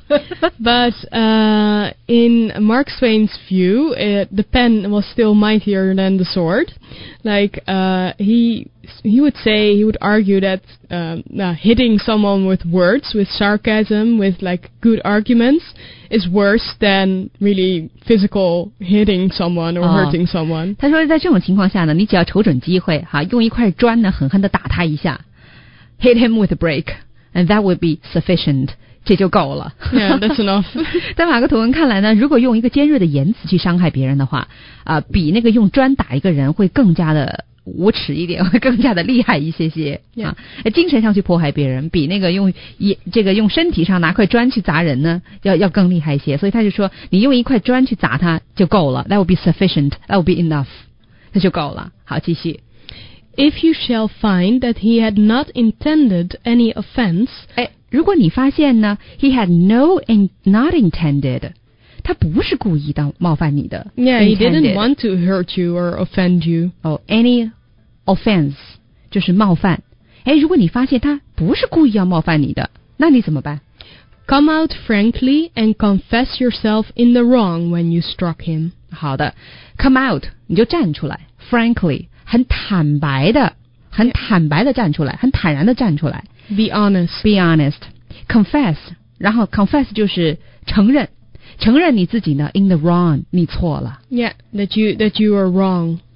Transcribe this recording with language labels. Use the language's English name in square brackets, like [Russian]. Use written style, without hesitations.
[English] But in Mark Twain's view, the pen was still mightier than the sword. Like, he would say, he would argue that hitting someone with words, with sarcasm, with like good arguments, is worse than really physical hitting someone or hurting someone. [Chinese] 他说在这种情况下呢，你只要瞅准机会，哈，用一块砖呢，狠狠地打他一下。 [English] Hit him with a brick, and that would be sufficient. [Chinese] 这就够了。 [English] Yeah, that's enough. [Chinese] 在马克吐温看来呢，如果用一个尖锐的言辞去伤害别人的话，比那个用砖打一个人会更加的无耻一点，会更加的厉害一些些。 [English] Yeah. [Chinese] 精神上去迫害别人，比那个用身体上拿块砖去砸人呢，要更厉害一些。所以他就说，你用一块砖去砸他就够了。 [English] That would be sufficient. That would be enough. [Chinese] 这就够了。好，继续。 [English] If you shall find that he had not intended any offense, [Chinese] 如果你发现呢 ， [English] he had not intended, [Chinese] 他不是故意的冒犯你的。 [English] Yeah, intended, he didn't want to hurt you or offend you. Oh, any offense [Chinese] 就是冒犯。如果你发现他不是故意要冒犯你的，那你怎么办 [English] ？Come out frankly and confess yourself in the wrong when you struck him. [Chinese] 好的 ， [English] come out [Chinese] 你就站出来 ，frankly。很坦白的，很坦白的站出来，很坦然的站出来。 [English] Be honest. Be honest. Confess. [Chinese] 然后 confess 就是承认，承认你自己呢 [English] in the wrong， [Chinese] 你错了。 [English] Yeah, that you were wrong.